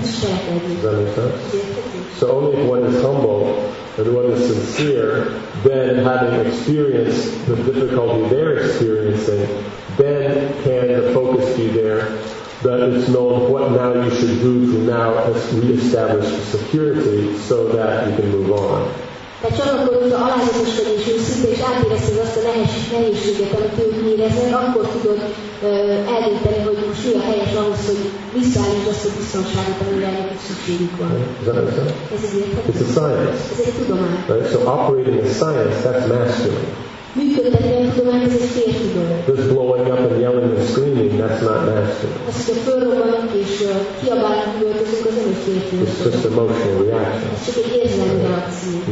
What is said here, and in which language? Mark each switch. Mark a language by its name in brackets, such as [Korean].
[English] So only if one is humble and one is sincere, then having experienced the difficulty they're experiencing, then can the focus be there that it's known what now you should do to now reestablish the security so that you can move on. [Hungarian] Tehát csak akkor, hogyha alázatoskodj és őszinte és átérezted azt a nehézséget, amit ők éreznek, akkor tudod eldönteni, hogy most mi a helyes ahhoz, hogy visszaállítsd azt a biztonságot, amire neked szükségük van. Ez egy science. Ez egy tudomány. [English] Right? So operating a science, that's mastery. Just blowing up and yelling and screaming, that's not mastery. It's just emotional reaction.